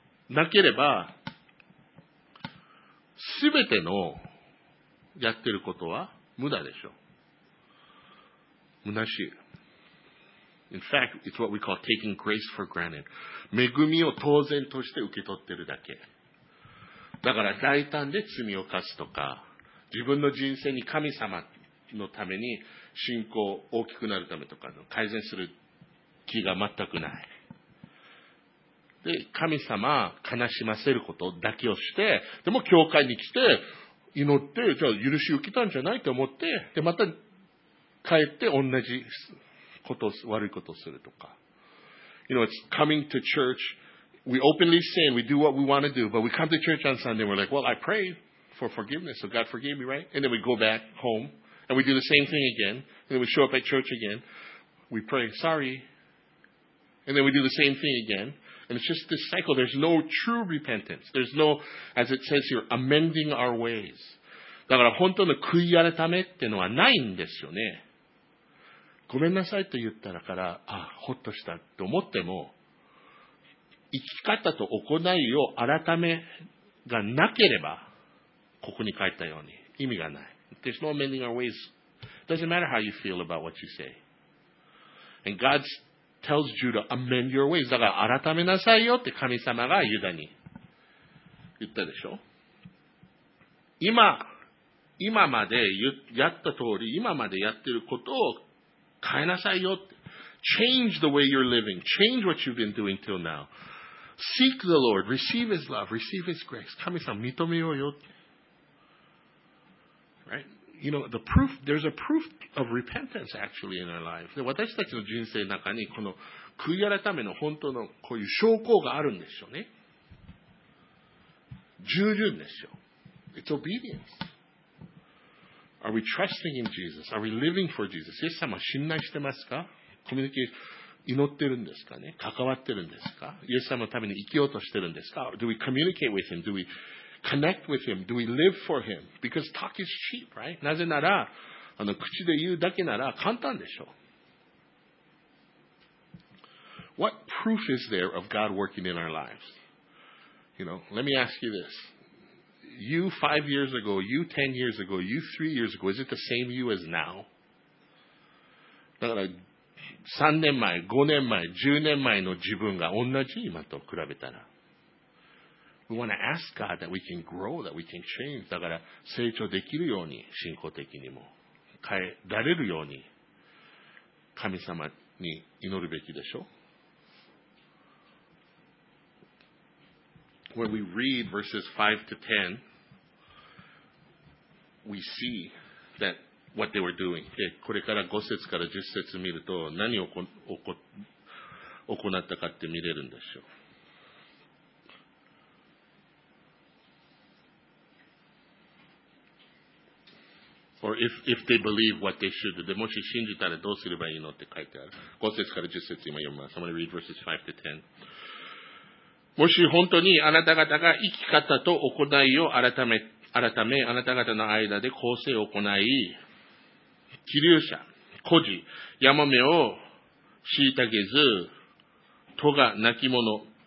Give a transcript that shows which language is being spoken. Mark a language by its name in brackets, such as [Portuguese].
[Japanese] なければ、すべてのやってることは無駄でしょう。虚しい。 [English] In fact, it's what we call taking grace for granted. [Japanese] 恵みを当然として受け取ってるだけ。だから大胆で罪を犯すとか、自分の人生に神様のために信仰大きくなるためとかの改善する気が全くない。で、神様悲しませることだけをして、でも教会に来て祈って、じゃあ許し受けたんじゃないと思って、で、また帰って同じこと、悪いことをするとか。 [English] You know, it's coming to church. We openly sin. We do what we want to do. But we come to church on Sunday. We're like, well, I prayed for forgiveness. So God forgave me, right? And then we go back home. And we do the same thing again. And then we show up at church again. We pray, sorry. And then we do the same thing again. And it's just this cycle. There's no true repentance. There's no, as it says here, amending our ways. [Japanese] だから本当の悔い改めってのはないんですよね。ごめんなさいと言ったら、から、あ、ほっとしたと思っても、生き方と行いを改めがなければ、ここに書いたように、意味がない。 [English] There's no amending our ways. Doesn't matter how you feel about what you say. And God tells Judah, amend your ways. [Japanese] だから、改めなさいよって神様がユダに言ったでしょ。今までやった通り、今までやってることを、変えなさいよって。 [English] Change the way you're living. Change what you've been doing till now. Seek the Lord. Receive His love. Receive His grace. [Japanese] 神様認めようよって。 [English] Right? You know, the proof, there's a proof of repentance actually in our life. [Japanese] 私たちの人生の中にこの悔い改めの本当のこういう証拠があるんですよね。従順ですよ。 [English] It's obedience. Are we trusting in Jesus? Are we living for Jesus? [Japanese] イエス様信頼してますか？コミュニケーション、祈ってるんですかね？関わってるんですか？イエス様のために生きようとしてるんですか？ [English] Do we communicate with Him? Do we connect with Him? Do we live for Him? Because talk is cheap, right? [Japanese] なぜなら、口で言うだけなら簡単でしょう。 [English] What proof is there of God working in our lives? You know, let me ask you this. You 5 years ago, you 10 years ago, you 3 years ago, is it the same you as now? [Japanese] だから、3年前、5年前、10年前の自分が同じ今と比べたら。 [English] We want to ask God that we can grow, that we can change. [Japanese] だから、成長できるように、信仰的にも。変えられるように、神様に祈るべきでしょ。 [English] When we read verses 5 to 10, we see that what they were doing. [Japanese] で、これから5節から10節見ると何を行ったかって見れるんでしょう。 [English] Or if they believe what they should do. [Japanese] でもし信じたらどうすればいいのって書いてある。 5節から10節今読みます。 [English] I'm going to read verses 5 to 10. [Japanese] もし本当にあなた方が生き方と行いを改めあなた方の間で公正を行い、気流者、孤児、ヤマメを虐げず、戸が泣き者